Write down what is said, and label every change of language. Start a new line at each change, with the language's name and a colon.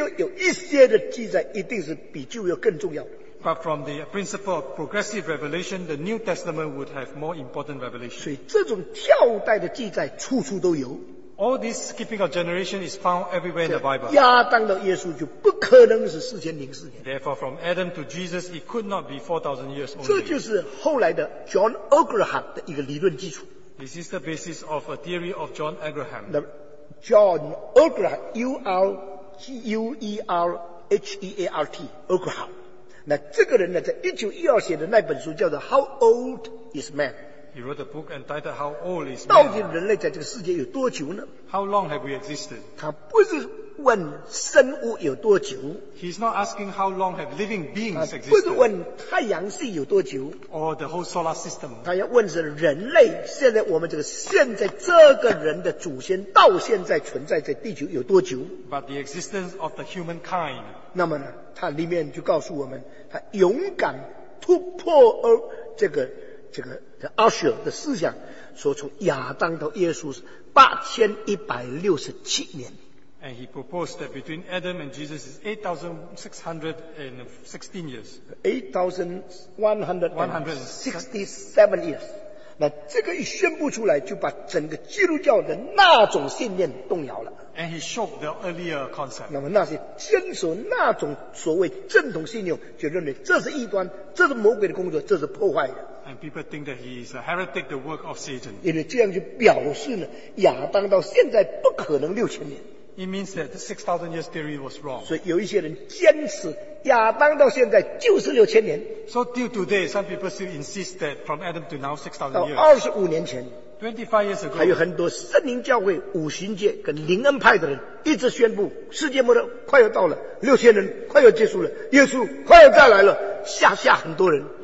Chinese: 但从整个圣经的逐步启示的理论来看，新约是成全了旧约，所以新约有一些的记载一定是比旧约更重要的。
English: But from the principle of progressive revelation, the New Testament would have more important revelation.
Chinese: 所以这种跳代的记载处处都有。
English: All this skipping of generation is found everywhere in the Bible.
Chinese: 亚当到耶稣就不可能是4004年。
English: Therefore, from Adam to Jesus, it could not be 4,000 years only.
Chinese: 这就是后来的 John Ergraham 的一个理论基础。
English: This is the basis of a theory of John Ergraham. John Ergraham, U-R-G-U-E-R-H-E-A-R-T, Ergraham.
Chinese: 那这个人呢，在1912写的那本书叫做 How Old is Man?
English: He wrote a book entitled How Old is Man?
Chinese: 到底人类在这个世界有多久呢？
English: How long have we existed?
Chinese: 他不是问生物有多久。
English: He's not asking how long have living beings existed.
Chinese: 不是问太阳系有多久。
English: Or the whole solar system.
Chinese: 他要问是人类，现在我们这个现在这个人的祖先到现在存在在地球有多久。
English: But the existence of the humankind.
Chinese: 那么呢，他里面就告诉我们，他勇敢突破这个 Usher 的思想，说从亚当到耶稣是8167年。
English: And he proposed that between Adam and Jesus is 8,616 years. 8,167 years.
Chinese: 那这个一宣布出来，就把整个基督教的那种信念动摇了。
English: And he shook the earlier concept.
Chinese: 那么那些坚守那种所谓正统信仰，就认为这是异端，这是魔鬼的工作，这是破坏的。
English: And people think that he is a heretic, the work of Satan.
Chinese: 因为这样就表示呢，亚当到现在不可能6000年。
English: It means that the 6,000 years theory was wrong.
Chinese: 所以有一些人坚持亚当到现在就是六千年。
English: So till today, some people still insist that from Adam to now 6,000 years.
Chinese: 到25年前。
English: 25 years ago.
Chinese: 还有很多圣灵教会、五旬节跟灵恩派的人一直宣布世界末日快要到了，六千年快要结束了，耶稣快要再来了，吓很多人。